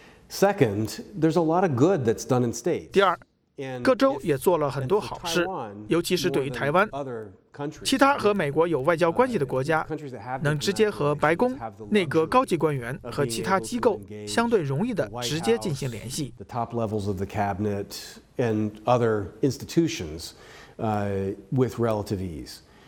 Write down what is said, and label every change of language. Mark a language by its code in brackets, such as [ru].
[en] Second, there's a lot of good that's done in states. [zh] 第二，各州也做了很多好事，尤其是对于台湾。其他和美国有外交关系的国家能直接和白宫、内阁高级官员和其他机构相对容易地直接进行联系。 [en] The top levels of the cabinet and other institutions, with relative ease.